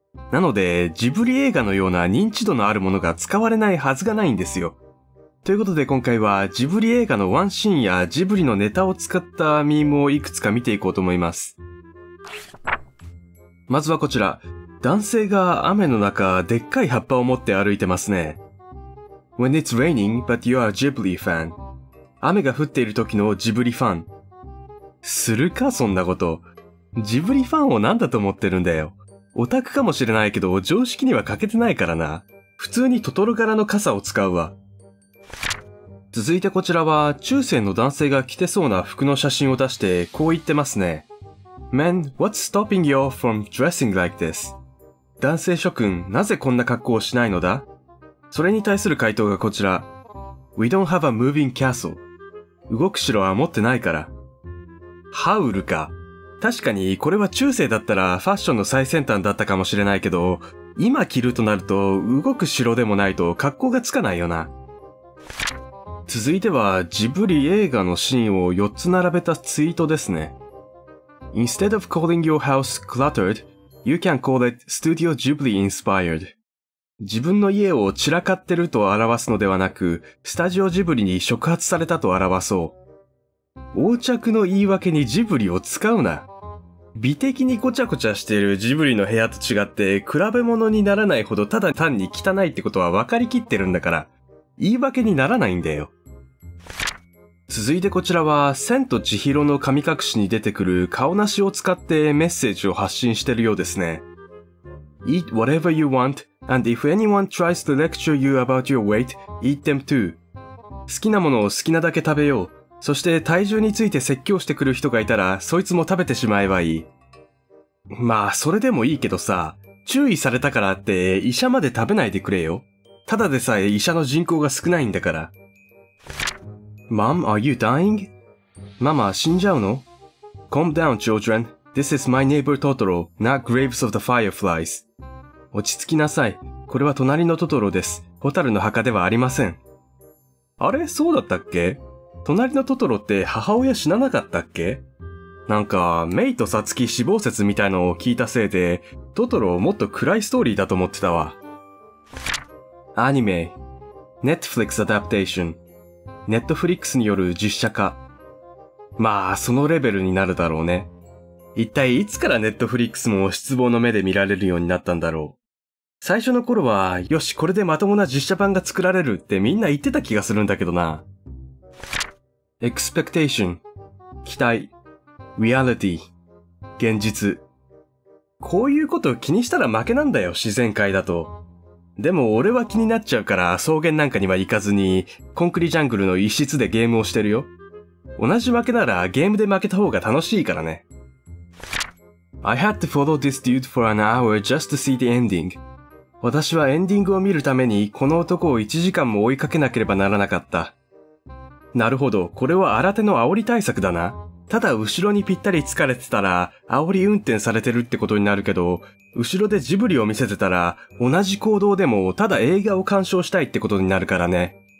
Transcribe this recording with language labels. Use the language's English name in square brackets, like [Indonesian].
[Japanese] なのでジブリ映画のような認知度のあるものが使われないはずがないんですよ。ということで今回はジブリ映画のワンシーンやジブリのネタを使ったミームをいくつか見ていこうと思います。まずはこちら、男性が雨の中でっかい葉っぱを持って歩いてますね。 [English] When it's raining, but you are a Ghibli fan. [Japanese] 雨が降っている時のジブリファン。するか、そんなこと。ジブリファンを何だと思ってるんだよ。オタクかもしれないけど、常識には欠けてないからな。普通にトトロ柄の傘を使うわ。続いてこちらは、中世の男性が着てそうな服の写真を出して、こう言ってますね。 [English] Men, what's stopping you from dressing like this? [Japanese] 男性諸君、なぜこんな格好をしないのだ?それに対する回答がこちら。 [English] We don't have a moving castle. [Japanese] 動く城は持ってないから。ハウルか。確かにこれは中世だったらファッションの最先端だったかもしれないけど、今着るとなると動く城でもないと格好がつかないよな。続いてはジブリ映画のシーンを4つ並べたツイートですね。 [English] Instead of calling your house cluttered, you can call it Studio Ghibli inspired. [Japanese] 自分の家を散らかってると表すのではなく、スタジオジブリに触発されたと表そう。横着の言い訳にジブリを使うな。美的にごちゃごちゃしているジブリの部屋と違って、比べ物にならないほどただ単に汚いってことは分かりきってるんだから、言い訳にならないんだよ。続いてこちらは、千と千尋の神隠しに出てくる顔なしを使ってメッセージを発信してるようですね。 [English] Eat whatever you want. And if anyone tries to lecture you about your weight, eat them too. [Japanese] 好きなものを好きなだけ食べよう。そして体重について説教してくる人がいたら、そいつも食べてしまえばいい。まあ、それでもいいけどさ、注意されたからって医者まで食べないでくれよ。ただでさえ医者の人口が少ないんだから。 [English] Mom, are you dying? [Japanese] ママ、死んじゃうの? [English] Calm down, children. This is my neighbor Totoro, not Graves of the Fireflies. [Japanese] 落ち着きなさい。これは隣のトトロです。ホタルの墓ではありません。あれ?そうだったっけ? 隣のトトロって母親死ななかったっけ?なんか、メイとサツキ死亡説みたいのを聞いたせいで、トトロをもっと暗いストーリーだと思ってたわ。アニメ。 [English] Netflix Adaptation。 [Japanese] Netflix による実写化。まあ、そのレベルになるだろうね。一体いつからネットフリックスも失望の目で見られるようになったんだろう。最初の頃は、よし、これでまともな実写版が作られるってみんな言ってた気がするんだけどな。 Expectation 期待 Reality 現実。こういうこと気にしたら負けなんだよ、自然界だと。でも俺は気になっちゃうから草原なんかには行かずに、コンクリジャングルの一室でゲームをしてるよ。同じ負けならゲームで負けた方が楽しいからね。 [English] I had to follow this dude for an hour just to see the ending. [Japanese] 私はエンディングを見るためにこの男を1時間も追いかけなければならなかった。なるほど、これは新手の煽り対策だな。ただ後ろにぴったり疲れてたら煽り運転されてるってことになるけど、後ろでジブリを見せてたら同じ行動でもただ映画を鑑賞したいってことになるからね。